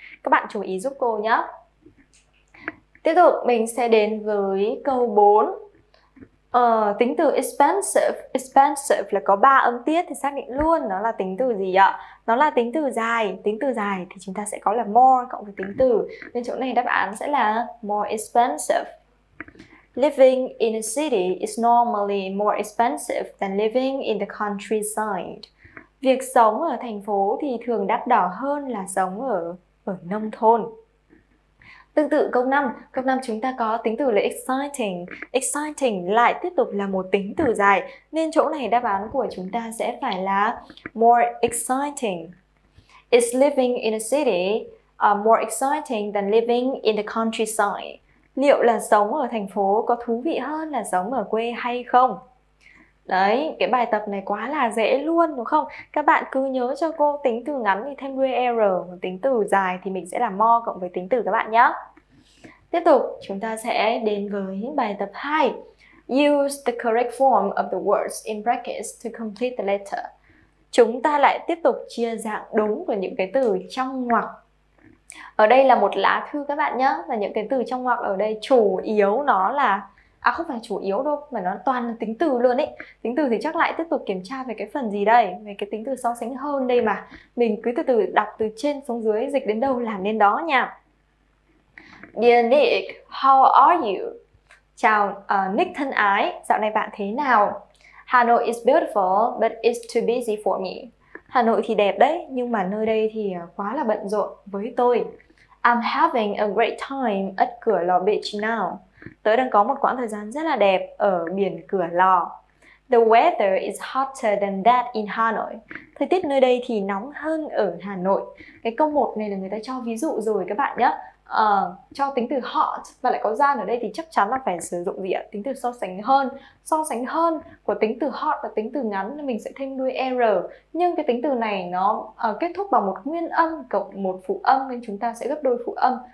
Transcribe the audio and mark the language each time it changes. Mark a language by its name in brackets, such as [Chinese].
[Vietnamese] Các bạn chú ý giúp cô nhé. Tiếp tục mình sẽ đến với câu 4. Tính từ expensive. Expensive là có 3 âm tiết thì xác định luôn nó là tính từ gì ạ? Nó là tính từ dài. Tính từ dài thì chúng ta sẽ có là more cộng với tính từ. Nên chỗ này đáp án sẽ là more expensive. [English] Living in a city is normally more expensive than living in the countryside. [Vietnamese] Việc sống ở thành phố thì thường đắt đỏ hơn là sống ở nông thôn. Tương tự câu 5, câu 5 chúng ta có tính từ là exciting. Exciting lại tiếp tục là một tính từ dài. Nên chỗ này đáp án của chúng ta sẽ phải là more exciting. [English] is living in a city are more exciting than living in the countryside. [Vietnamese] Liệu là sống ở thành phố có thú vị hơn là sống ở quê hay không? Đấy, cái bài tập này quá là dễ luôn đúng không? Các bạn cứ nhớ cho cô tính từ ngắn thì thêm where error, tính từ dài thì mình sẽ là more cộng với tính từ các bạn nhé. Tiếp tục, chúng ta sẽ đến với bài tập 2. [English] Use the correct form of the words in brackets to complete the letter. [Vietnamese] Chúng ta lại tiếp tục chia dạng đúng của những cái từ trong ngoặc. Ở đây là một lá thư các bạn nhé. Và những cái từ trong ngoặc ở đây chủ yếu nó là, à không phải chủ yếu đâu, mà nó toàn là tính từ luôn ý. Tính từ thì chắc lại tiếp tục kiểm tra về cái phần gì đây, về cái tính từ so sánh hơn đây mà. Mình cứ từ từ đọc từ trên xuống dưới, dịch đến đâu làm đến đó nha. [English] Dear Nick, how are you? [Vietnamese] Chào Nick thân ái, dạo này bạn thế nào? [English] Hà Nội is beautiful, but it's too busy for me. [Vietnamese] Hà Nội thì đẹp đấy, nhưng mà nơi đây thì quá là bận rộn với tôi. [English] I'm having a great time at Cửa Lò Beach now. [Vietnamese] Tớ đang có một quãng thời gian rất là đẹp ở biển Cửa Lò. [English] The weather is hotter than that in Hanoi. [Vietnamese] Thời tiết nơi đây thì nóng hơn ở Hà Nội. Cái câu 1 này là người ta cho ví dụ rồi các bạn nhé. Cho tính từ hot và lại có gian ở đây thì chắc chắn là phải sử dụng gì ạ? Tính từ so sánh hơn. So sánh hơn của tính từ hot là tính từ ngắn nên mình sẽ thêm đuôi er. Nhưng cái tính từ này nó kết thúc bằng một nguyên âm cộng một phụ âm nên chúng ta sẽ gấp đôi phụ âm.